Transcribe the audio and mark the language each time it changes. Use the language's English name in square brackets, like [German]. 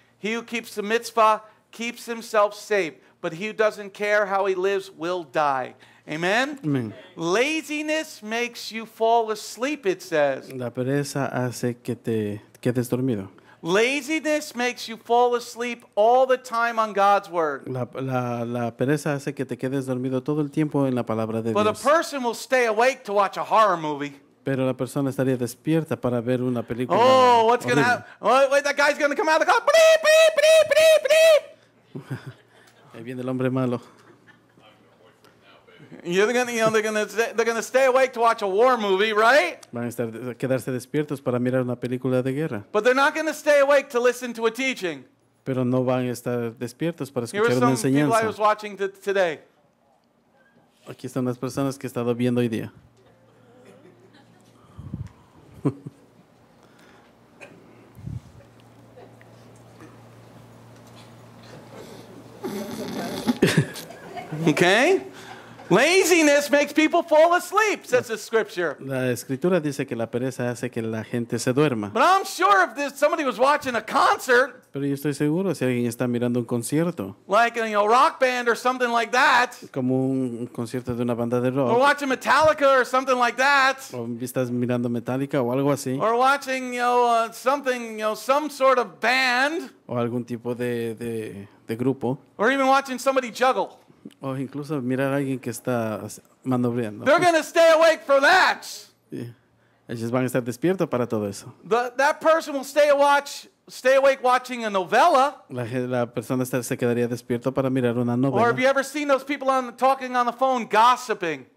[English] He who keeps the mitzvah keeps himself safe, but he who doesn't care how he lives will die. Amen? Amen. Laziness makes you fall asleep, it says. [Spanish] La pereza hace que te quedes dormido. [English] Laziness makes you fall asleep all the time on God's word. [Spanish] La pereza hace que te quedes dormido todo el tiempo en la palabra de [English] But [Spanish] Dios. [English] But a person will stay awake to watch a horror movie. [Spanish] Pero la persona estaría despierta para ver una película. [English] Oh, what's going to happen? Oh, wait, that guy's going to come out of the car. Bleep, bleep, bleep, bleep, bleep. [Spanish] Ahí viene el hombre malo. [English] They're gonna stay awake to watch a war movie, right? [Spanish] Van a estar quedarse despiertos para mirar una película de guerra. [English] But they're not gonna stay awake to listen to a teaching. [Spanish] Pero no van a estar despiertos para escuchar una enseñanza. [English] Here are some people I was watching today. [Spanish] Aquí están las personas que he estado viendo hoy día. [English] Okay. Laziness makes people fall asleep, says the scripture. [Spanish] La escritura dice que la pereza hace que la gente se duerma. [English] But I'm sure if somebody was watching a concert. [Spanish] Pero yo estoy seguro si alguien está mirando un concierto. [English] Like a rock band or something like that. [Spanish] Como un concierto de una banda de rock. [English] Or watching Metallica or something like that. [Spanish] O estás mirando Metallica o algo así. [English] Or watching some sort of band. [Spanish] O algún tipo de grupo. [English] Or even watching somebody juggle. [Spanish] O incluso mirar a alguien que está manobreando. [English] They're going to stay awake for that. Yeah. [Spanish] Ellos van a estar despiertos para todo eso. [English] That person will stay awake watching a novella. [Spanish] La persona se quedaría despierto para mirar una novela. [English] Or have you ever seen those people talking on the phone gossiping?